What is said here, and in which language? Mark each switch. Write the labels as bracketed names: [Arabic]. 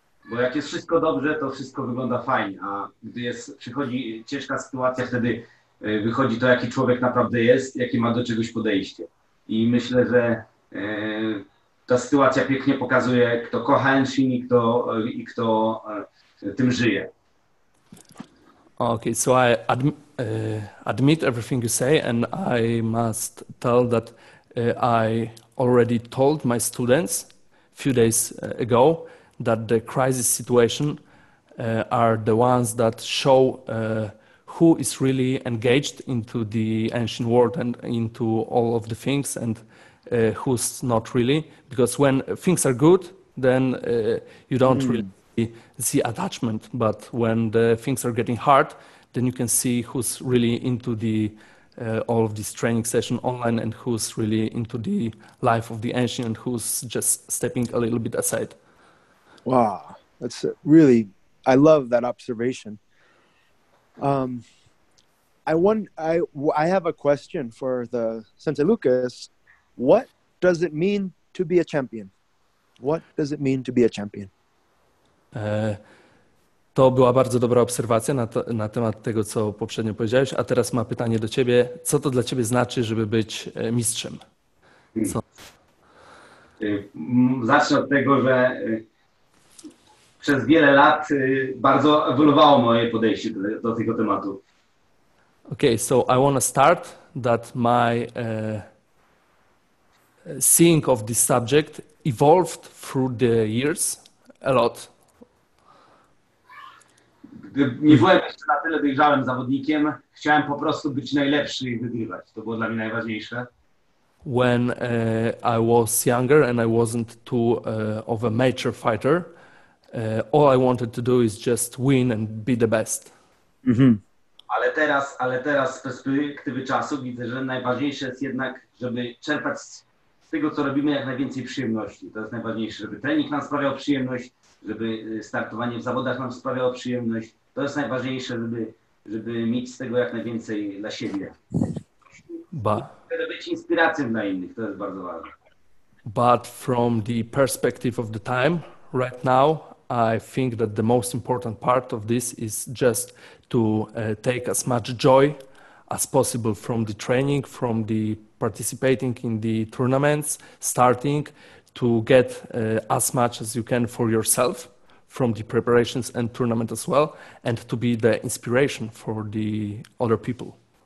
[Polish] Bo jak jest wszystko dobrze, to wszystko wygląda fajnie, a gdy przychodzi ciężka sytuacja, wtedy wychodzi to, jaki człowiek naprawdę jest, jakie ma do czegoś podejście. I myślę, że ta sytuacja pięknie pokazuje, kto kocha Enshin i kto tym żyje. [English] Okay, so I admit everything you say, and I must tell that I already told my students a few days ago that the crisis situation are the ones that show who is really engaged into the ancient world and into all of the things, and who's not really. Because when things are good, then you don't really see attachment. But when the things are getting hard, then you can see who's really into the all of this training session online and who's really into the life of the ancient and who's just stepping a little bit aside. Wow, that's really, I love that observation. I have a question for the Sensei Lukasz. What does it mean to be a champion? What does it mean to be a champion? [Polish] To była bardzo dobra obserwacja na temat tego, co poprzednio powiedziałeś, a teraz ma pytanie do ciebie. Co to dla ciebie znaczy, żeby być mistrzem? Co? Zacznę od tego, że przez wiele lat bardzo ewoluowało moje podejście do tego tematu. [English] Okay, so I want to start that my seeing of this subject evolved through the years a lot. [Polish] Nie byłem jeszcze na tyle dojrzałym zawodnikiem, chciałem po prostu być najlepszy i wygrywać. To było dla mnie najważniejsze. [English] When I was younger and I wasn't too of a mature fighter, all I wanted to do is just win and be the best. Mm-hmm. [Polish] Ale teraz z perspektywy czasu widzę, że najważniejsze jest jednak, żeby czerpać z tego, co robimy, jak najwięcej przyjemności. To jest najważniejsze, żeby trening nam sprawiał przyjemność, żeby startowanie w zawodach nam sprawiało przyjemność. To jest najważniejsze, żeby mieć z tego jak najwięcej dla siebie. Żeby być inspiracją dla innych, to jest bardzo ważne. [English] But from the perspective of the time, right now, I think that the most important part of this is just to take as much joy as possible from the training, from the participating in the tournaments, starting to get as much as you can for yourself from the preparations and tournament as well, and to be the inspiration for the other people.